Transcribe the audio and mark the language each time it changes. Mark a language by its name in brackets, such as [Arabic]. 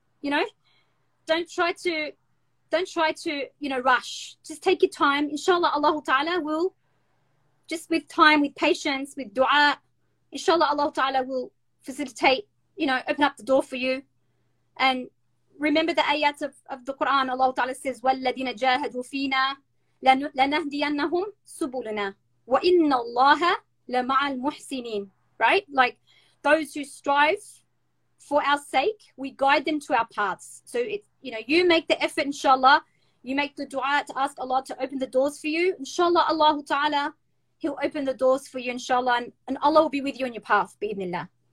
[English] You know, don't try to, you know, rush. Just take your time. Inshallah, Allah Ta'ala will, just with time, with patience, with dua, inshallah, Allah Ta'ala will facilitate, you know, open up the door for you. And remember the ayats of the Quran. Allah Ta'ala says, [Arabic] وَالَّذِينَ جَاهَدُوا فِينَا لَنَهْدِيَنَّهُمْ سُبُلُنَا وَإِنَّ اللَّهَ لَمَعَ الْمُحْسِنِينَ. [English] Right? Like, those who strive for our sake, we guide them to our paths. So, it, you know, you make the effort, inshallah. You make the dua to ask Allah to open the doors for you. Inshallah, Allah Ta'ala, He'll open the doors for you, inshallah. And Allah will be with you on your path, bi-idhnillah.